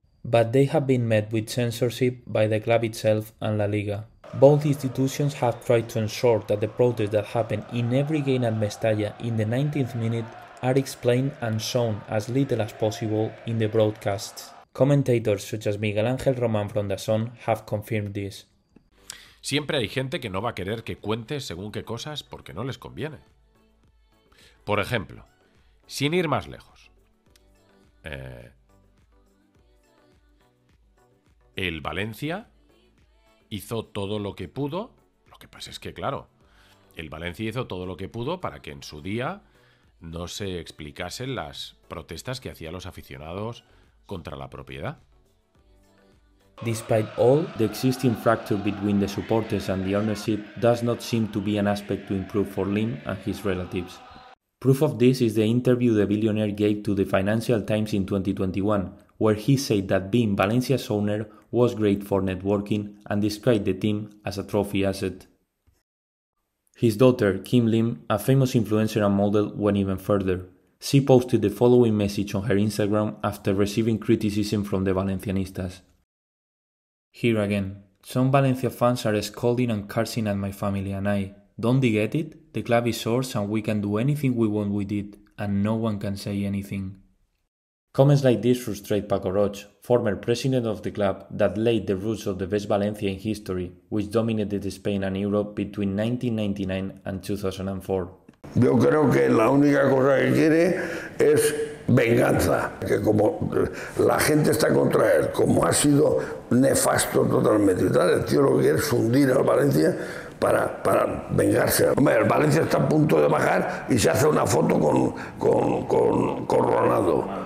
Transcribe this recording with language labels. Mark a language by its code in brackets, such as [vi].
[en] But they have been met with censorship by the club itself and La Liga. Both institutions have tried to ensure that the protests that happen in every game at Mestalla in the 19th minute are explained and shown as little as possible in the broadcasts. Commentators such as Miguel Ángel Román from DAZN have confirmed this. [es] Siempre hay gente que no va a querer que cuentes según qué cosas porque no les conviene. Por ejemplo, sin ir más lejos, el Valencia hizo todo lo que pudo. Lo que pasa es que, claro, el Valencia hizo todo lo que pudo para que en su día no se explicasen las protestas que hacían los aficionados contra la propiedad. [en] Despite all, the existing fracture between the supporters and the ownership does not seem to be an aspect to improve for Lim and his relatives. Proof of this is the interview the billionaire gave to the Financial Times in 2021, where he said that being Valencia's owner was great for networking and described the team as a trophy asset. His daughter, Kim Lim, a famous influencer and model, went even further. She posted the following message on her Instagram after receiving criticism from the Valencianistas. Here again. Some Valencia fans are scolding and cursing at my family and I. Don't they get it? The club is ours and we can do anything we want with it, and no one can say anything. Comments like this frustrate Paco Roche, former president of the club that laid the roots of the best Valencia in history, which dominated Spain and Europe between 1999 and 2004. [es] Yo creo que la única cosa que quiere es venganza, que como la gente está contra él, como ha sido nefasto totalmente y tal, el tío lo que quiere es hundir al Valencia para vengarse. Hombre, el Valencia está a punto de bajar y se hace una foto con Ronaldo.